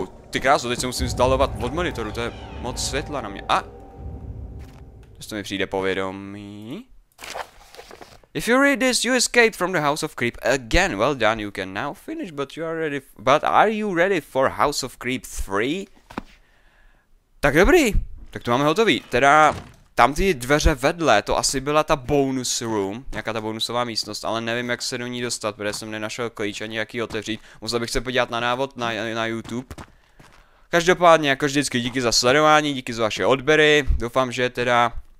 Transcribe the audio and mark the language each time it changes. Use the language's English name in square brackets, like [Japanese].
[Czech] Ty krásu, teď se musím vzdalovat od monitoru, to je moc světla na mě. To mi přijde povědomí. [English] If you read this, you escaped from the House of Creep again. Well done, you can now finish, but are you ready for House of Creep 3? [Czech] Tak dobrý, tak to máme hotový. Teda, tam ty dveře vedle, to asi byla ta bonus room, nějaká ta bonusová místnost, ale nevím, jak se do ní dostat, protože jsem nenašel klíč ani jak ji otevřít. Musel bych se podívat na návod na YouTube. Každopádně, jako vždycky, díky za sledování, díky za vaše odběry. Doufám, že teda...